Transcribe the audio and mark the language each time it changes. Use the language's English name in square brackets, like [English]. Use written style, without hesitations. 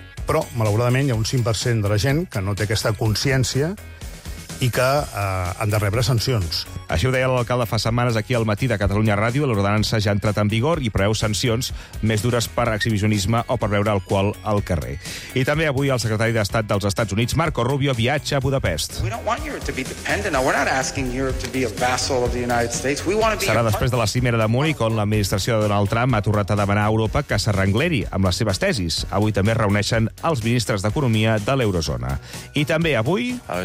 [Catalan] Però, malauradament, hi ha un 5% de la gent que no té aquesta consciència i que han de rebre sancions. Així ho deia l'alcalde fa setmanes aquí al matí de Catalunya Ràdio. L'ordenança ja ha entrat en vigor i preveu sancions més dures per exhibicionisme o per beure alcohol al carrer. I també avui el secretari d'Estat dels Estats Units, Marco Rubio, viatja a Budapest. [English] We don't want Europe to be dependent. No, we're not asking Europe to be a vassal of the United States. We want to be... [Catalan] Serà després de la cimera de Múnich, on l'administració de Donald Trump ha tornat a demanar a Europa que s'arrengleri amb les seves tesis. Avui també es reuneixen els ministres d'Economia de l'Eurozona. I també avui...